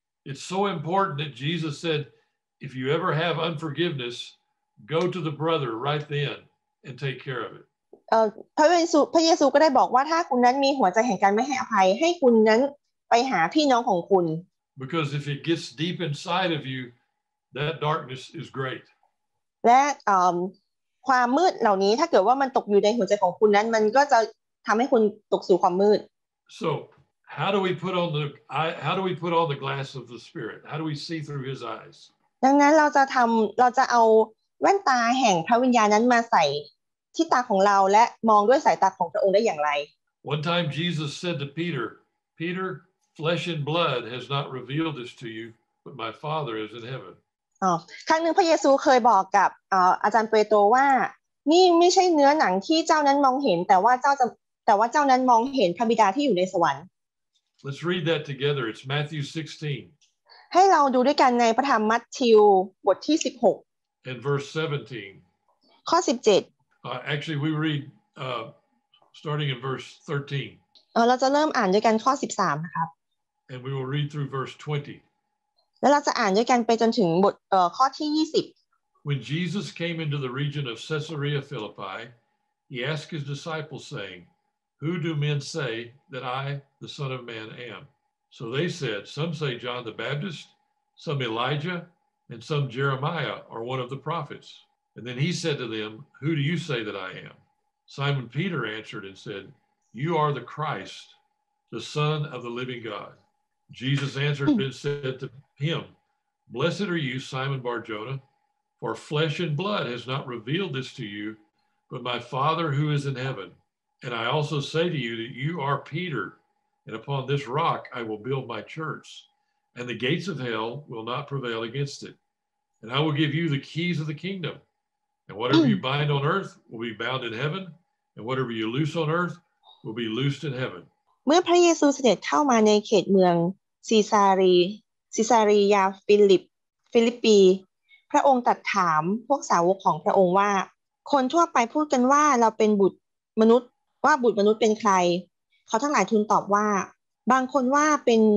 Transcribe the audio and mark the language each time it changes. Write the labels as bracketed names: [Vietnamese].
[English] It's so important that Jesus said if you ever have unforgiveness go to the brother right then and take care of it [Thai] พระเยซูก็ได้บอกว่าถ้าคุณนั้นมีหัวใจแห่งการไม่ให้อภัยให้คุณนั้นไปหาพี่น้องของคุณ [English] because if it gets deep inside of youThat darkness is great. [Thai] และความมืดเหล่านี้ถ้าเกิดว่ามันตกอยู่ในหัวใจของคุณนั้นมันก็จะทำให้คุณตกสู่ความมืด [English] So how do we put on the glass of the Spirit? How do we see through His eyes? [Thai] ดังนั้นเราจะเอาแว่นตาแห่งพระวิญญาณนั้นมาใส่ที่ตาของเราและมองด้วยสายตาของพระองค์ได้อย่างไร [English] One time Jesus said to Peter, flesh and blood has not revealed this to you, but my Father is in heaven. [Thai] ครั้งหนึ่งพระเยซูเคยบอกกับอาจารย์เปโตรว่านี่ไม่ใช่เนื้อหนังที่เจ้านั้นมองเห็นแต่ว่าเจ้านั้นมองเห็นพระบิดาที่อยู่ในสวรรค์ [English] Let's read that together. It's Matthew 16. [Thai] ให้เราดูด้วยกันในพระธรรมมัทธิวบทที่16 [English] And verse 17. [Thai] ข้อ17 [English] Actually, we read starting in verse 13. [Thai] เราจะเริ่มอ่านด้วยกันข้อ13นะครับ [English] And we will read through verse 20. [Thai] แล้วเราจะอ่านด้วยกันไปจนถึงบทข้อที่20 [English] When Jesus came into the region of Caesarea Philippi, he asked his disciples, saying, Who do men say that I, the Son of Man, am? So they said, Some say John the Baptist, some Elijah, and some Jeremiah are one of the prophets. And then he said to them, Who do you say that I am? Simon Peter answered and said, You are the Christ, the Son of the living God. Jesus answered and said to him, Blessed are you, Simon Bar-Jonah, for flesh and blood has not revealed this to you, but my Father who is in heaven. And I also say to you that you are Peter, and upon this rock I will build my church, and the gates of hell will not prevail against it. And I will give you the keys of the kingdom, and whatever you bind on earth will be bound in heaven, and whatever you loose on earth will be loosed in heaven. [Thai] เมื่อพระเยซูเสด็จเข้ามาในเขตเมืองซีซารียาฟิลิปปีพระองค์ตรัสถามพวกสาวกของพระองค์ว่าคนทั่วไปพูดกันว่าเราเป็นบุตรมนุษย์ว่าบุตรมนุษย์เป็นใครเขาทั้งหลายทูลตอบว่าบางคนว่าเ